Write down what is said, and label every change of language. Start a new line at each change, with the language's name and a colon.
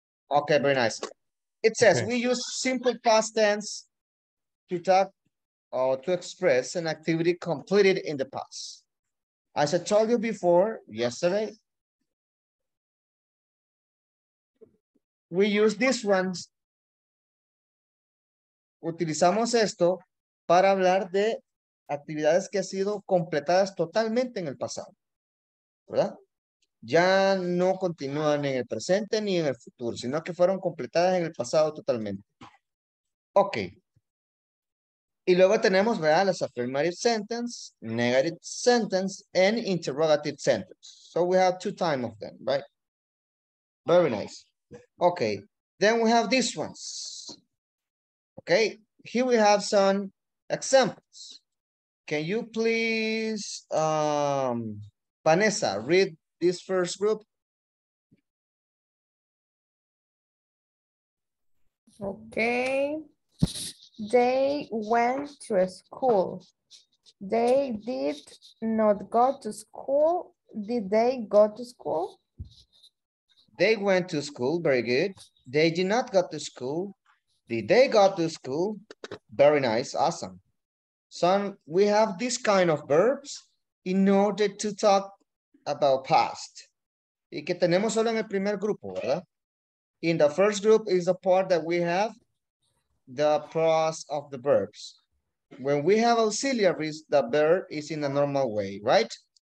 English: Okay, very nice. It says okay. We use simple past tense to talk or to express an activity completed in the past. As I told you before, yesterday, we use these ones.
Spanish: Utilizamos esto para hablar de actividades que han sido completadas totalmente en el pasado, ¿verdad? Ya no continúan en el presente ni en el futuro, sino que fueron completadas en el pasado totalmente. Ok. Y luego tenemos, ¿verdad?
English: Las affirmative sentence, negative sentence, and interrogative sentence. So we have two types of them, right? Very nice. Ok. Then we have these ones. Ok. Here we have some examples. Can you please, Vanessa, read this first group? Okay. They went to school. They did not go to school. Did they go to school? They went to school. Very good. They did not go to school. Did they go to school? Very nice. Awesome. So we have this kind of verbs in order to talk about past.
Spanish: Y que tenemos solo en el primer grupo, ¿verdad?
English: In the first group is the part that we have the past of the verbs. When we have auxiliaries, the verb is in a normal way, right?